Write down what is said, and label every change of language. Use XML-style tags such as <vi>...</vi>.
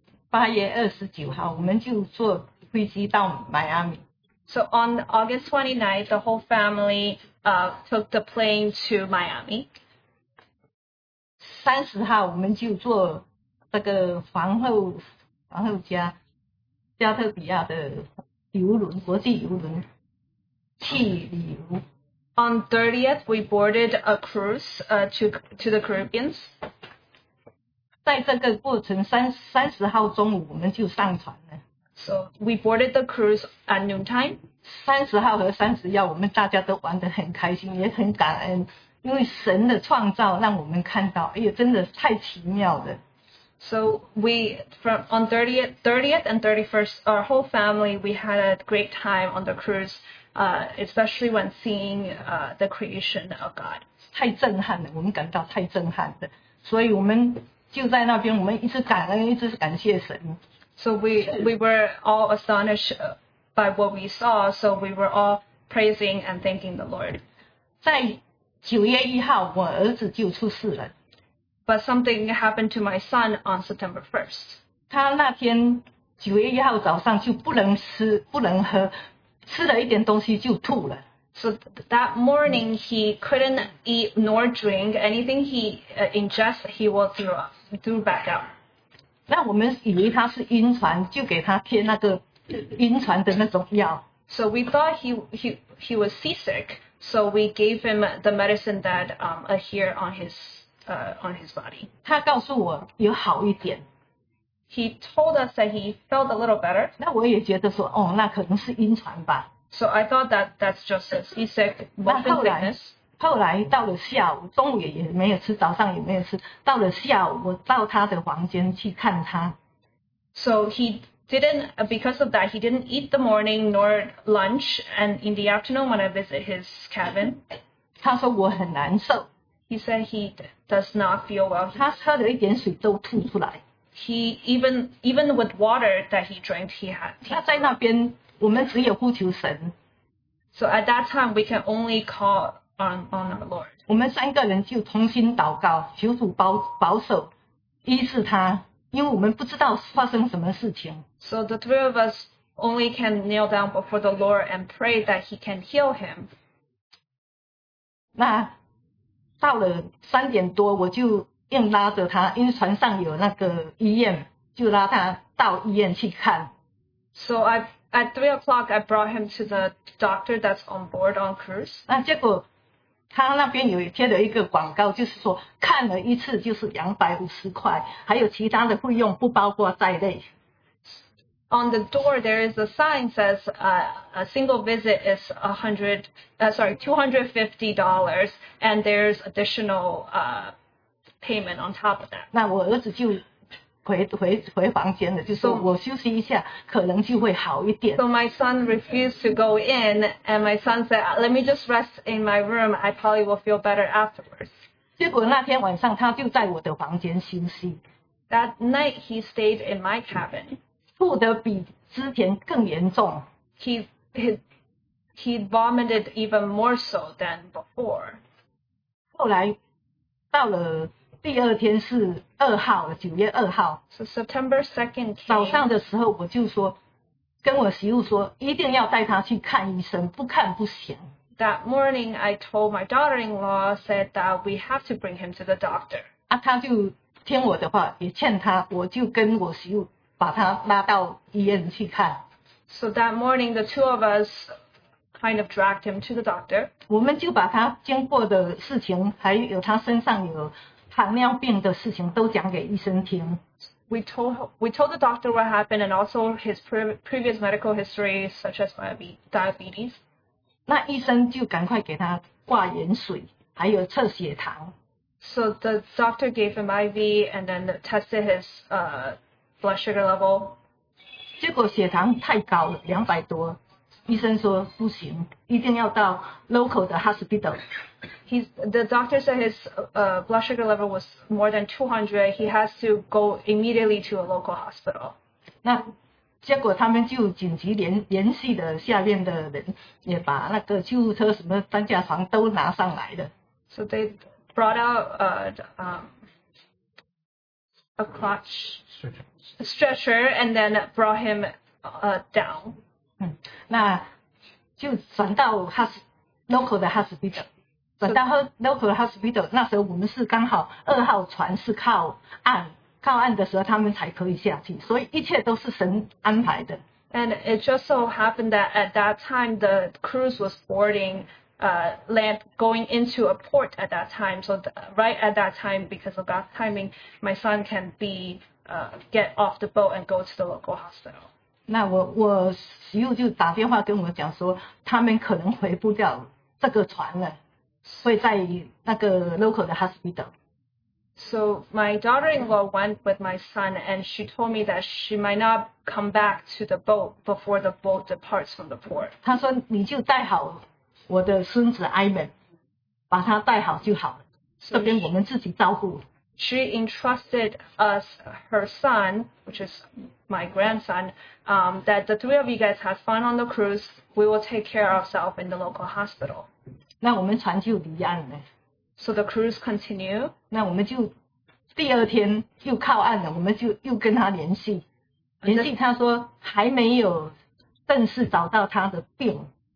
<zh>8月29号，我们就坐飞机到迈阿密。</zh> <en>So on August 29th, the whole family took the plane to Miami.</en> <zh>30号我们就坐这个皇后家加特比亚的邮轮，国际邮轮去旅游。</zh> <en>On 30th, we boarded a cruise to the Caribbean.</en> <zh>在这个过程，30号中午我们就上船了。</zh> <en>So we boarded the cruise at noontime.</en> <zh>30号和31号，我们大家都玩得很开心，也很感恩，因为神的创造让我们看到，哎呀，真的太奇妙了。</zh> <en>So we from on 30th and 31st, our whole family we had a great time on the cruise, especially when seeing the creation of God.</en> <zh>太震撼了，我们感到太震撼了，所以我们就在那边，我们一直感恩，一直感谢神。</zh> <en>So we were all astonished by what we saw, so we were all praising and thanking the Lord.</en> <zh>在9月1号我儿子就出事了。</zh> <en>But something happened to my son on September 1st.</en> <zh>他那天9月1号早上就不能吃不能喝，吃了一点东西就吐了。</zh> <en>So that morning he couldn't eat nor drink anything he ingested, he will threw back out.</en> <zh>那我们以为他是晕船，就给他贴那个晕船的那种药。</zh> <en>So we thought he was seasick, so we gave him the medicine that adhered on his body.</en> <zh>他告诉我有好一点。</zh> <en>He told us that he felt a little better.</en> <zh>那我也觉得说，哦，那可能是晕船吧。</zh> <en>So I thought that's just a seasick sickness.</en> <zh>后来到了下午，中午也没有吃，早上也没有吃。到了下午，我到他的房间去看他。</zh> <en>So he didn't, because of that, he didn't eat the morning nor lunch, and in the afternoon when I visit his cabin.</en> <zh>他说我很难受。</zh> <en>He said he does not feel well.</en> <zh>他喝了一点水都吐出来。</zh> <en>He even with water that he drank, he had.</en> <zh>他在那边，我们只有呼求神。</zh> <en>So at that time, we can only call. On our Lord.</en> <zh>我们三个人就同心祷告，求主保守医治他，因为我们不知道发生什么事情。</zh> <en>So the three of us only can kneel down before the Lord and pray that he can heal him.</en> <zh>那到了3点多，我就硬拉着他，因为船上有那个医院，就拉他到医院去看。</zh> <en>So at 3 o'clock, I brought him to the doctor that's on board on cruise.</en> <zh>那结果他那边有贴了一个广告，就是说看了一次就是250块，还有其他的费用不包括在内。</zh> <en>On the door there is a sign says a single visit is $250, and there's additional payment on top of that.</en> <zh>那我儿子就回房间了，就说我休息一下，可能就会好一点。</zh> <en>So my son refused to go in, and my son said, "Let me just rest in my room. I probably will feel better afterwards."</en> <zh>结果那天晚上他就在我的房间休息。</zh> <en>That night he stayed in my cabin.</en> <zh>吐得比之前更严重。</zh> <en>He vomited even more so than before.</en> <zh>后来到了。第二天是2号，9月2号。</zh> <en>So September 2nd.</en> <zh>早上的时候我就说，跟我媳妇说，一定要带她去看医生，不看不行。</zh> <en>That morning, I told my daughter-in-law said that we have to bring him to the doctor.</en> <zh>啊，她就听我的话，也劝她，我就跟我媳妇把她拉到医院去看。</zh> <en>So that morning, the two of us. Kind of dragged him to the doctor.</en> <zh>我们就把他经过的事情，还有他身上有糖尿病的事情，都讲给医生听。</zh> <en>We told the doctor what happened and also his previous medical history, such as diabetes.</en> <zh>那医生就赶快给他挂盐水，还有测血糖。</zh> <en>So the doctor gave him IV and then tested his blood sugar level.</en> <zh>结果血糖太高了，200多。医生说不行，一定要到</zh> <en>local</en> <zh>的</zh> <en>hospital. The doctor said his blood sugar level was more than 200. He has to go immediately to a local hospital.</en> <zh>那结果他们就紧急联系的下面的人，也把那个救护车什么担架床都拿上来的。 So they brought out a crutch stretcher and then brought him down. 嗯，那就转到</zh> <en>local</en> <zh>的</zh> <en>hospital。</en> <zh>转到</zh> <en>local</en> <zh>的</zh> <en>hospital，</en> <zh>那时候我们是刚好二号船是靠岸。靠岸的时候，他们才可以下去，所以一切都是神安排的。</zh> <en>And it just so happened that at that time the cruise was boarding, land going into a port at that time. So right at that time, because of God's timing, my son can be, get off the boat and go to the local hospital.</en> <zh>那我媳妇就打电话跟我讲说，他们可能回不了这个船了，会在那个</zh> <en>local</en> <zh>的</zh> <en>hospital。 So my daughter-in-law went with my son, and she told me that she might not come back to the boat before the boat departs from the port.</en> <zh>她说你就带好我的孙子 Ivan， 把他带好就好了，这边我们自己照顾。</zh> <en>She entrusted us her son, which is my grandson, that the three of you guys have fun on the cruise. We will take care of ourselves in the local hospital.</en> <zh>那我们船就离岸了。</zh> <en>So the cruise continue.</en> <zh>那我们就第二天又靠岸了，我们就又跟他联系，联系他说还没有正式找到他的病。</zh>